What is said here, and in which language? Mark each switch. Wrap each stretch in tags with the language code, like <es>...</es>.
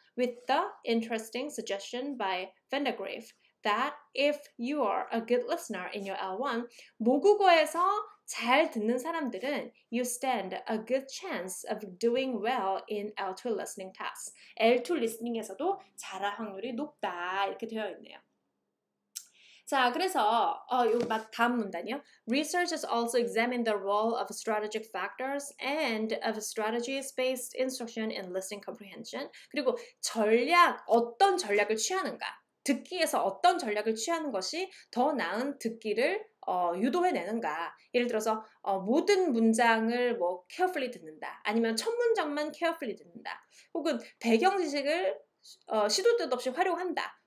<en>With the interesting suggestion by Vandegrift that if you are a good listener in your L1,</en> <ko>모국어에서 잘 듣는 사람들은</ko> <en>you stand a good chance of doing well in L2 listening tasks.</en> <ko>L2 listening에서도 잘할 확률이 높다. 이렇게 되어 있네요. 자, 그래서 요 다음 문단이요.</ko> <en>Research has also examined the role of strategic factors and of strategies-based instruction in listening comprehension.</en> <ko>그리고 전략, 어떤 전략을 취하는가? 듣기에서 어떤 전략을 취하는 것이 더 나은 듣기를 유도해내는가. 예를 들어서 모든 문장을 뭐 carefully 듣는다. 아니면 첫 문장만 carefully 듣는다. 혹은 배경 지식을 시도 때도 없이 활용한다.</ko>